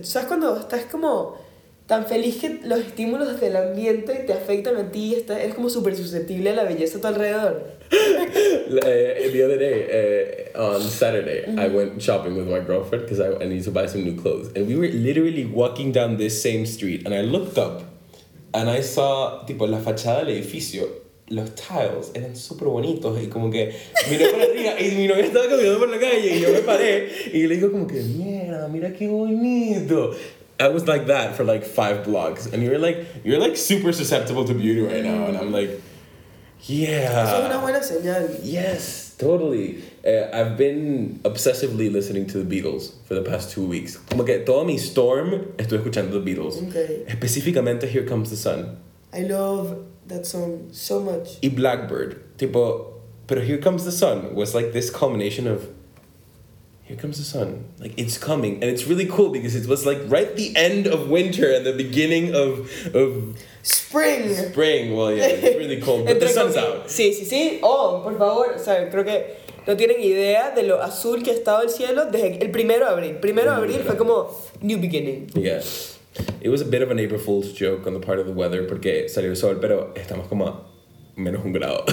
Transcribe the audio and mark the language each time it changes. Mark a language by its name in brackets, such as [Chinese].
[Spanish] ¿Sabes cuando estás como tan feliz que los estímulos del ambiente te afectan a ti y estás, eres como súper susceptible a la belleza a tu alrededor? [English] The other day, on Saturday, mm-hmm. I went shopping with my girlfriend because I needed to buy some new clothes. And we were literally walking down this same street and I looked up and I saw, tipo, la fachada del edificio. [Spanish] Los tiles eran súper bonitos y como que miré por arriba y mi novia estaba caminando por la calle y yo me paré y le digo como que mierda, mira qué bonito. [English] I was like that for like 5 blocks and you're like super susceptible to beauty right now and I'm like, yeah. [Spanish] Eso es una buena señal. [English] Yes, totally. I've been obsessively listening to the Beatles for the past 2 weeks. [Spanish] Como que toda mi storm estoy escuchando the Beatles. [English] Okay. [Spanish] Específicamente Here Comes the Sun. [English] I love that song so much. Y Blackbird. Tipo, pero Here Comes the Sun was like this culmination of Here Comes the Sun. Like, it's coming. And it's really cool because it was like right the end of winter and the beginning of spring. Spring. Well, yeah, it's really cold. But the sun's out. [Spanish] Sí, sí, sí. Oh, por favor. O sea, creo que no tienen idea de lo azul que ha estado el cielo desde el primero de abril. Primero de abril fue como new beginning. [English] Yeah. It was a bit of an April Fool's joke on the part of the weather porque salió el sol, pero estamos como a menos un grado.